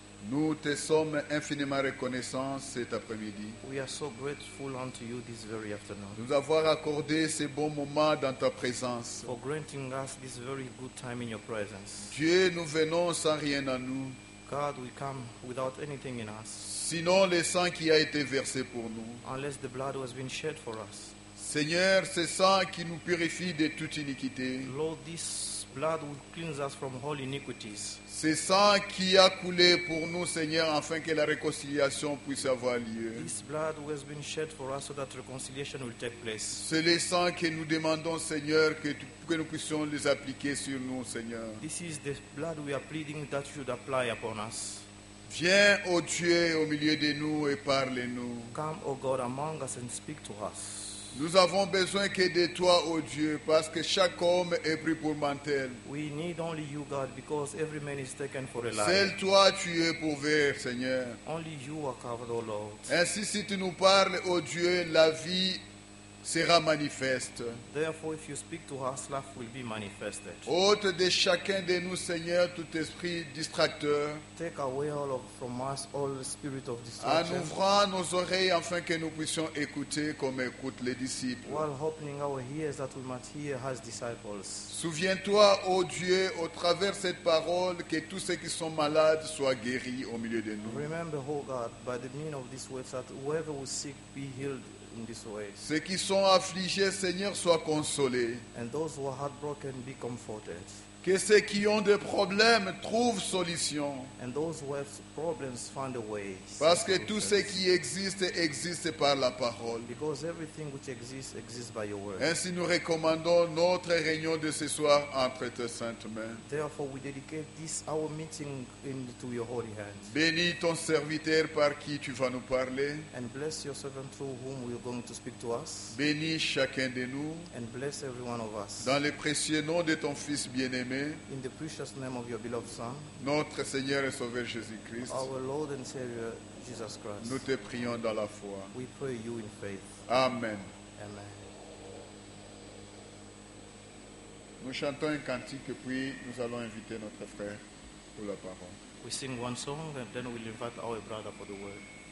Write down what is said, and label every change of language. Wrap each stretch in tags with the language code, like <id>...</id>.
<fr>nous te sommes infiniment reconnaissants cet après-midi.</fr> <en>We are so grateful unto you this very afternoon.</en> <fr>Nous avoir accordé ces bons moments dans ta présence.</fr> <en>For granting us this very good time in your presence.</en> <fr>Dieu, nous venons sans rien à nous.</fr> <en>God, we come without anything in us.</en> <fr>Sinon le sang qui a été versé pour nous.</fr> <en>Unless the blood has been shed for us.</en> <fr>Seigneur, ce sang qui nous purifie de toute iniquité.</fr> <en>Lord, this blood will cleanse us from all iniquities.</en> <fr>Ce sang qui a coulé pour nous, Seigneur, afin que la réconciliation puisse avoir lieu.</fr> <en>This blood has been shed for us so that reconciliation will take place.</en> <fr>C'est le sang que nous demandons, Seigneur, que nous puissions les appliquer sur nous, Seigneur.</fr> <en>This is the blood we are pleading that should apply upon us.</en> <fr>Viens, ô Dieu, au milieu de nous et parle-nous.</fr> <en>Come, O God, among us and speak to us.</en> <fr>Nous avons besoin que de toi, ô Dieu, parce que chaque homme est pris pour mantel.</fr> <en>We need only you, God, because every man is taken for a lie.</en> <fr>Seul toi, tu es pourvert, Seigneur.</fr> <en>Only you are covered, O Lord.</en> <fr>Ainsi, si tu nous parles, ô Dieu, la vie sera manifeste.</fr> <en>Therefore, if you speak to us, life will be manifested.</en> <fr>Ôte de chacun de nous, Seigneur, tout esprit distracteur.</fr> <en>Take away all of, from us all the spirit of distraction.</en> <fr>En ouvrant nos oreilles afin que nous puissions écouter comme écoutent les disciples.</fr> <en>While opening our ears that we might hear as disciples.</en> <fr>Souviens-toi, ô Dieu, au travers cette parole, que tous ceux qui sont malades soient guéris au milieu de nous.</fr> <en>Remember, O God, by the meaning of this word, that whoever was sick be healed. In this way.</en> <fr>Ceux qui sont affligés, Seigneur, soient consolés.</fr> <en>And those who are heartbroken, be comforted.</en> <fr>Que ceux qui ont des problèmes trouvent solution.</fr> <en>And those who have problems find a way.</en> <fr>Parce que tout ce qui existe existe par la parole.</fr> <en>Because everything which exists exists by your word.</en> <fr>Ainsi nous recommandons notre réunion de ce soir entre tes saintes mains.</fr> <en>Therefore we dedicate this our meeting into your holy hands.</en> <fr>Bénis ton serviteur par qui tu vas nous parler.</fr> <en>And bless your servant through whom we are going to speak to us.</en> <fr>Bénis chacun de nous.</fr> <en>And bless every one of us.</en> <fr>Dans le précieux nom de ton fils bien</fr> <en>In the precious name of your beloved Son,</en> <fr>notre Seigneur et Sauveur Jésus Christ,</fr> <en>our Lord and Savior Jesus Christ,</en> <fr>nous te prions dans la foi.</fr> <en>We pray you in faith. Amen. Amen.</en> <fr>Nous chantons un cantique, puis nous allons inviter notre frère pour la parole.</fr> <en>We sing one song and then we'll invite our brother for the word.</en>